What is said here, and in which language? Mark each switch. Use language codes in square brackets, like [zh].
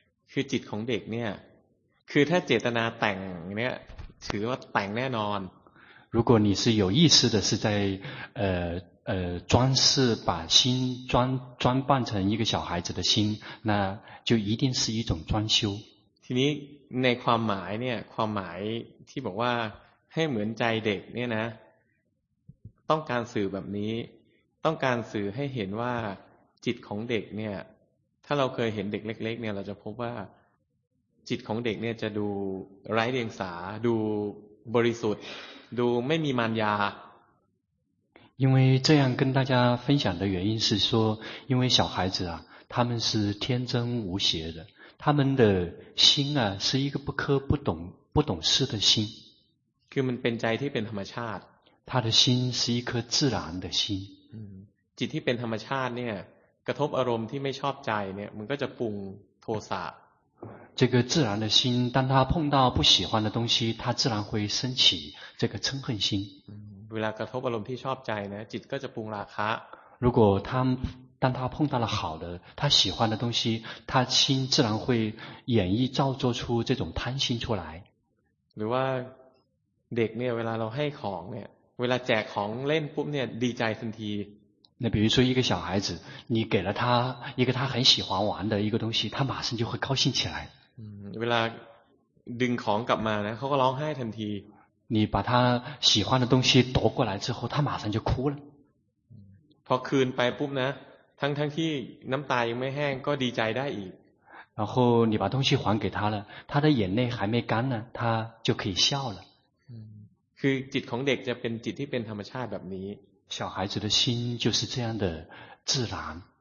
[th] คือจิตของเด็กเนี่ยคือถ้าเจตนาแต่งเนี่ยถือว่าแต่งแน่นอน [zh] 如果你是有意识的是在装饰把心装扮成一个小孩子的心，那就一定是一种装修。 [th] ทีนี้ในความหมายเนี่ยความหมายที่บอกว่าให้เหมือนใจเด็กเนี่ยนะต้องการสื่อแบบนี้ต้องการสื่อให้เห็นว่าจิตของเด็กเนี่ยถ้าเราเคยเห็นเด็กเล็กๆเนี่ยเราจะพบว่าจิตของเด็กเนี่ยจะดูไร้เดียงสาดูบริสุทธิ์ดูไม่มีมารยา [zh] 因为这样跟大家分享的原因是说，因为小孩子啊，他们是天真无邪的，他们的心啊是一个不科不懂不懂事的心。 [th] คือมันเป็นใจที่เป็นธรรมชาติ。 [zh] 他的心是一颗自然的心。 [th] จิตที่เป็นธรรมชาติเนี่ยกระทบอารมณ์ที่ไม่ชอบใจเนี่ยมันก็จะปรุงโทสะ。 [zh] 这个自然的心，当他碰到不喜欢的东西，他自然会升起这个嗔恨心。 [th] เวลากระทบอารมณ์ที่ชอบใจนะจิตก็จะปรุงราคะ [zh] 如果他当他碰到了好的他喜欢的东西他心自然会演绎造作出这种贪心出来 [th] หรือว่าเด็กเนี่ยเวลาเราให้ของเนี่ยเวลาแจกของเล่นปุ๊บเนี่ยดีใจทันที [zh] 那比如说一个小孩子你给了他一个他很喜欢玩的一个东西他马上就会高兴起来 [th] เวลาดึงของกลับมานะเขาก็ร้องไห้ทันที [zh] 你把他喜欢的东西夺过来之后，他马上就哭了。 [th] พอคืนไปปุ๊บนะทั้งที่น้ำตายังไม่แห้งก็ดีใจได้อีก [zh] 然后你把东西还给他了，他的眼泪还没干呢，他就可以笑了。 [th] คือจิตของเด็กจะเป็นจิตที่เป็นธรรมชาติแบบนี้。 [zh] 小孩子的心就是这样的自然。